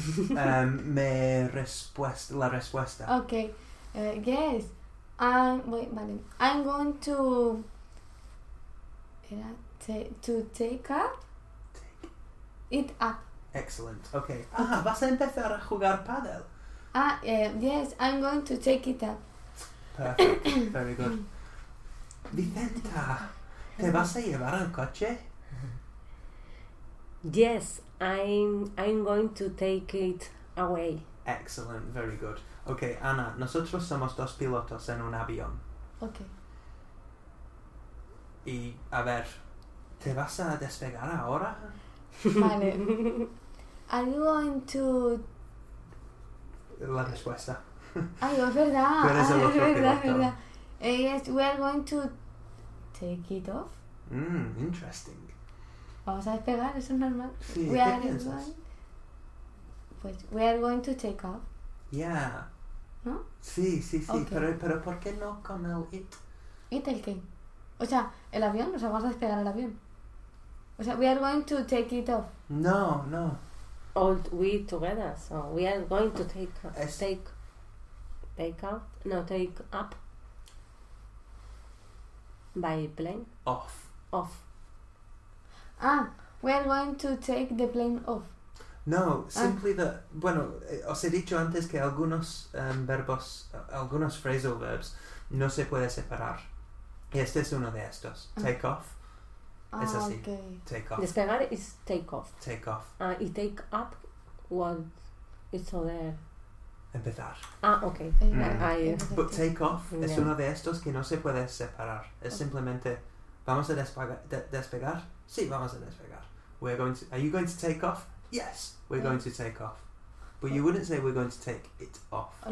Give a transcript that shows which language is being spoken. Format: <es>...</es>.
<es>La respuesta.</es> <en>Ok. Yes. I'm going to... To take it up. Excellent. Okay.</en> <es>Vas a empezar a jugar pádel.</es> <en>Yes, I'm going to take it up. Perfect. Very good.</en> <es>Vicenta, ¿te vas a llevar el coche?</es> <en>Yes, I'm going to take it away. Excellent. Very good.</en> <es>Okay, Ana, nosotros somos dos pilotos en un avión.</es> <en>Okay.</en> <es>Y a ver, ¿te vas a despegar ahora?</es> <en>Vale. Are you going to...</en> <es>La respuesta. Ay, es verdad. Tú eres el otro verdad.</es> <en>Yes, we are going to take it off. Interesting.</en> <es>Vamos a despegar, eso es normal. Sí,</es> <en>we</en> <es>¿qué</es> <en>are</en> <es>piensas?</es> <en>We are going to take off. Yeah.</en> <es>¿No? Sí, sí, sí.</es> <en>Okay.</en> <es>Pero ¿por qué no con el it? ¿It el qué? O sea, el avión, o sea, vamos a despegar el avión. O sea,</es> <en>we are going to take it off.</en> <es>No, no.</es> <en>All we together, so we are going to take up by plane. Off. We are going to take the plane off. No, simply that,</en> <es>bueno, os he dicho antes que algunos verbos, algunos phrasal verbs, no se puede separar. Y este es uno de estos. Take off. Es así.</es> <en>Okay. Take off. Despegar is take off. Take off. Y take up, what is other?</en> <es>Empezar.</es> <en>Ok. But take off</en> <es>es uno de estos que no se puede separar. Es simplemente, ¿vamos a despegar? Sí, vamos a despegar.</es> <en>Are you going to take off? Yes, we're going to take off. But you wouldn't say we're going to take it off.</en>